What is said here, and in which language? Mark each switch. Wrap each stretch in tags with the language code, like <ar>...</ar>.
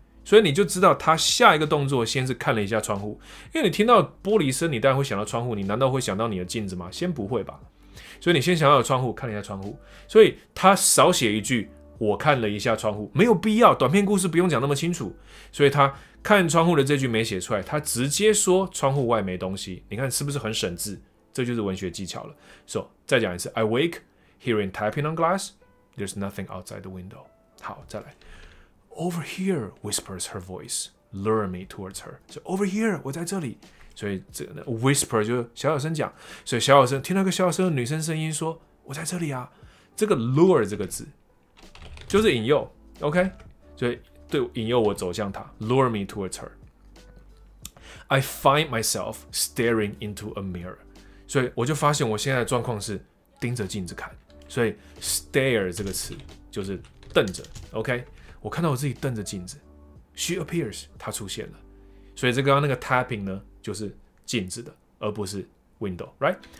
<zh>所以你就知道他下一个动作先是看了一下窗户，因为你听到玻璃声，你当然会想到窗户，你难道会想到你的镜子吗？先不会吧。所以你先想到窗户，看了一下窗户，所以他少写一句我看了一下窗户，没有必要，短篇故事不用讲那么清楚，所以他看窗户的这句没写出来，他直接说窗户外没东西，你看是不是很省字？这就是文学技巧了。</zh> <en>So</en> <zh>再讲一次，</zh> <en>I wake hearing tapping on glass, there's nothing outside the window.</en> <zh>好，再来。</zh> <en>Over here whispers her voice, lure me towards her. So over here,</en> <zh>我在这里。所以这 whisper 就小小声讲，所以小小声听到一个小小声的女生声音说，我在这里啊。这个 lure 这个字就是引诱， OK? 所以对，引诱我走向她，</zh> <en>lure me towards her. I find myself staring into a mirror.</en> <zh>所以我就发现我现在的状况是盯着镜子看，所以 stare 这个词就是瞪着， OK? 我看到我自己瞪着镜子，</zh> <en>She appears,</en> <zh>她出现了。所以这刚刚那个 tapping 呢，就是镜子的，而不是 window, right?</zh>